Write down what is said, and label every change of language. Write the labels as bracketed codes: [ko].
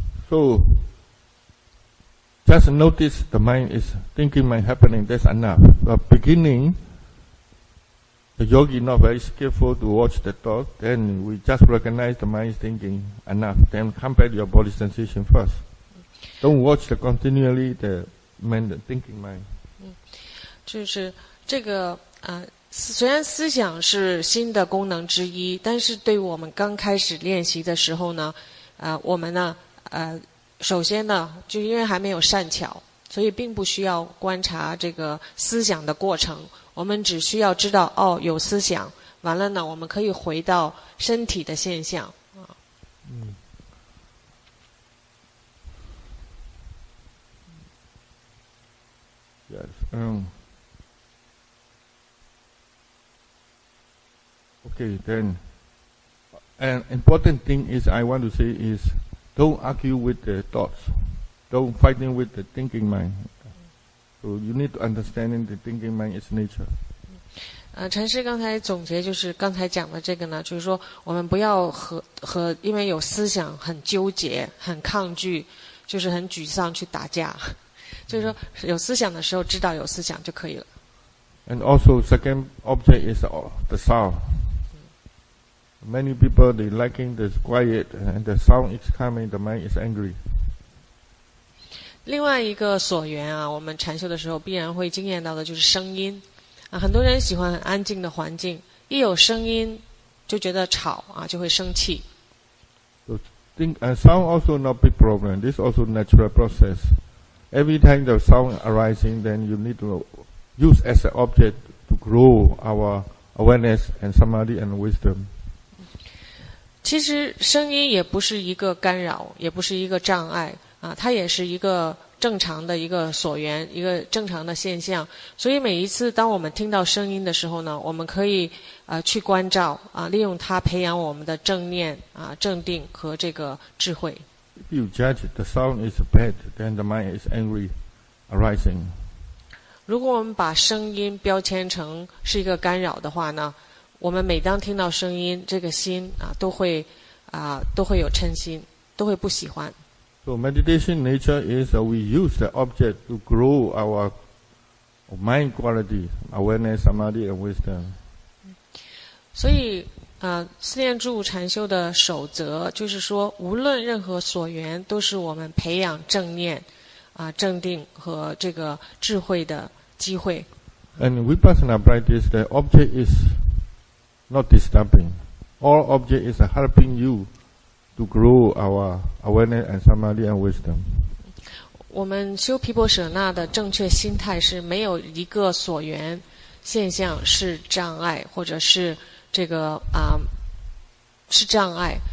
[en] So just notice the mind is thinking mind happening, that's enough. The beginning, the yogi not very skillful to watch the thought, then we just recognize the mind is thinking enough, then compare to your body sensation first. Don't watch the continually the mind, the thinking mind. [zh] 就是这个虽然思想是心的功能之一，但是对我们刚开始练习的时候呢，我们呢，首先呢，就因为还没有善巧，所以并不需要观察这个思想的过程。我们只需要知道，哦，有思想，完了呢，我们可以回到身体的现象。 [en] Okay, then an important thing is I want to say is don't argue with the thoughts. Don't fight with the thinking mind. So you need to understand the thinking mind is nature. [zh] 禅师刚才总结就是刚才讲的这个呢，就是说我们不要 和因为有思想很纠结很抗拒就是很沮丧去打架，就是说有思想的时候知道有思想就可以了。 [en] And also second object is the soundMany people, they liking the quiet, and the sound is coming, the mind is angry. [zh] 另外一个所缘啊，我们禅修的时候必然会经验到的就是声音。啊，很多人喜欢很安静的环境，一有声音就觉得吵啊，就会生气。 [en] So think, and sound also not big problem. This also natural process. Every time the sound arising, then you need to use as an object to grow our awareness and samadhi and wisdom. [zh] 其实声音也不是一个干扰，也不是一个障碍啊，它也是一个正常的一个所缘，一个正常的现象。所以每一次当我们听到声音的时候呢，我们可以去关照啊，利用它培养我们的正念啊、正定和这个智慧。 [en] If you judge the sound is bad, then the mind is angry arising. [zh] 如果我们把声音标签成是一个干扰的话呢？我们每当听到声音，这个心啊，都会啊，都会有嗔心，都会不喜欢。 [en] So meditation nature is that we use the object to grow our mind quality, awareness, samadhi, and wisdom. [zh] 所以啊，四念住禅修的守则就是说，无论任何所缘，都是我们培养正念啊、正定和这个智慧的机会。 [en] And vipassana practice, the object is. Not disturbing. All object is helping you to grow our awareness and samadhi and wisdom. [zh] 我们修毗婆舍那的正确心态是没有一个所缘现象是障碍，或者是这个是障碍。